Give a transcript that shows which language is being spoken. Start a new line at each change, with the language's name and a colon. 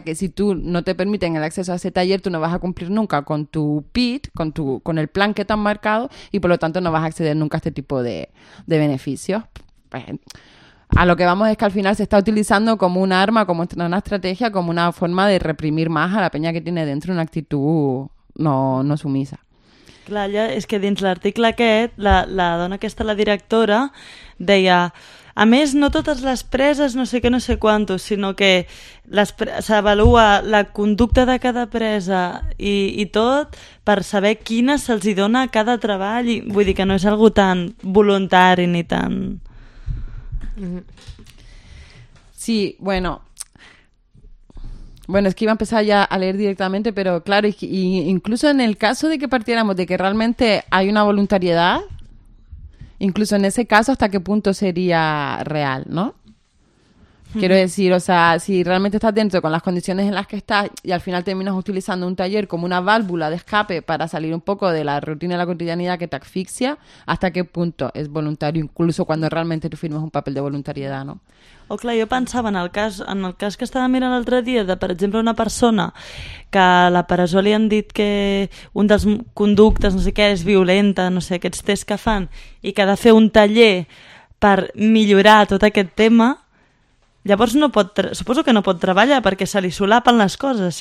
Spanish: Que si tú no te permiten el acceso a ese taller, tú no vas a cumplir nunca con tu PIT, con el plan que te han marcado, y por lo tanto no vas a acceder nunca a este tipo de beneficios. Pues, a lo que vamos es que al final se está utilizando como un arma, como una estrategia, como una forma de reprimir más a la peña que tiene dentro una actitud no sumisa.
Catalan: Clar, ja, és que dins l'article aquest, la dona que està la directora deia, a més, no totes les preses, no sé què, no sé quantos, sinó que s'avalua la conducta de cada presa i tot per saber quina se'ls dona a cada treball. I, vull dir que no és algo tan voluntari ni tan...
Spanish: Sí, bueno, es que iba a empezar ya a leer directamente, pero claro, y incluso en el caso de que partiéramos de que realmente hay una voluntariedad, incluso en ese caso, ¿hasta qué punto sería real, no? Quiero decir, o sea, si realmente estás dentro con las condiciones en las que estás y al final terminas utilizando un taller como una válvula de escape para salir un poco de la rutina y la cotidianidad que te asfixia, ¿hasta qué punto es voluntario, incluso cuando realmente tú firmes un papel de voluntariedad, no?
Catalan: Oh, clar, jo pensava en el cas que estava mirant l'altre dia, de, per exemple, una persona que a la presó li han dit que un dels conductes, no sé què, és violenta, no sé, aquests tests que fan, i que ha de fer un taller per millorar tot aquest tema, llavors no pot, suposo que no pot treballar perquè se li solapen les coses.